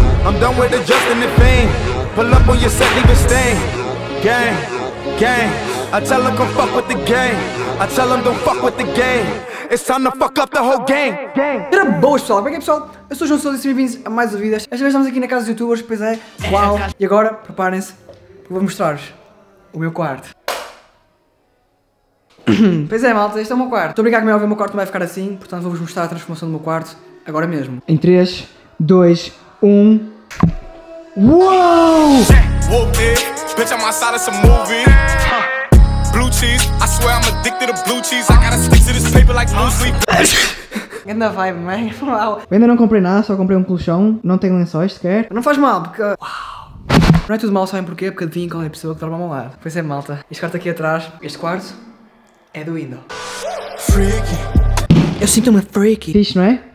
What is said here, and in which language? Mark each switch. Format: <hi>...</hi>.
<en>I'm done with adjusting the fame. Pull up on your set, leave a stain. Gang, gang. I tell them come fuck with the gang. I tell them don't fuck with the gang. It's time to fuck up the whole gang.</en> <pt>Era boas, pessoal. Como é que é, pessoal? Eu sou o João Souza e sejam bem-vindos a mais ouvidas. Esta vez estamos aqui na casa dos youtubers, pois é. Uau. E agora, preparem-se, eu vou mostrar-vos o meu quarto. Pois é, malta, este é o meu quarto. Estou a brincar com o meu óbvio, o meu quarto não vai ficar assim. Portanto, vou-vos mostrar a transformação do meu quarto agora mesmo. Em 3, 2, 1. Uou!</pt> <en>Bitch, I'm outside of some movie. Blue cheese, I swear I'm addicted to blue cheese. I gotta stick to this paper like blue sleep.</en> <pt>Ainda vai, man. Uau. Eu ainda não comprei nada, só comprei um colchão. Não tenho lençóis sequer. Não faz mal, porque. Uau! Não é tudo mal, sabem porquê? Porque adivinha qual é a pessoa que dorme ao meu lado. Pois é, malta. Este quarto aqui atrás, este quarto, é do Window. Freaky. Eu sinto-me freaky. Fixe, não é?</pt>